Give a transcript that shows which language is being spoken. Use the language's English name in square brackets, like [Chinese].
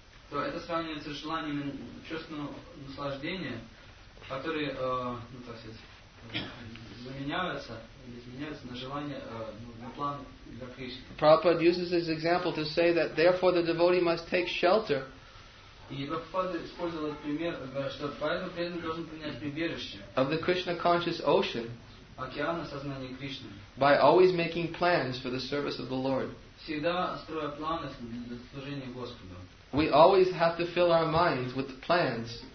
[Russian] То это сравнивается с желаниями чувственного наслаждения, которые, ну так сказать, изменяются на желание, на план для Кришны. [English] Prabhupada uses this example to say that therefore the devotee must take shelter. [Russian] И Прабхупада использовал этот пример, что поэтому преданный должен принять прибежище. [English] Of the Krishna conscious ocean. [Russian] Океана сознания Кришны. [English] By always making plans for the service of the Lord. [Russian] Всегда строя планы для служения Господу. [English] We always have to fill our minds with plans.